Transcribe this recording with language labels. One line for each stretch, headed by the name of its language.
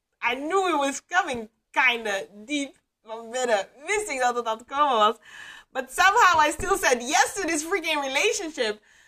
English: I knew it was coming kind of deep.
Dutch: Van binnen wist ik dat het aan het komen was.
English: But somehow I still said yes to this freaking relationship.